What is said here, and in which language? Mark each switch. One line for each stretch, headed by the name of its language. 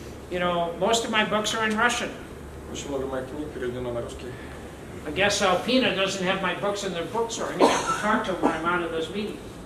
English: You know, most of my books are in Russian.
Russian: Очень много моих книг переведено на русский.
English: I guess Alpina doesn't have my books in their bookstore. I'm going to have to talk to them when I'm out of those meetings.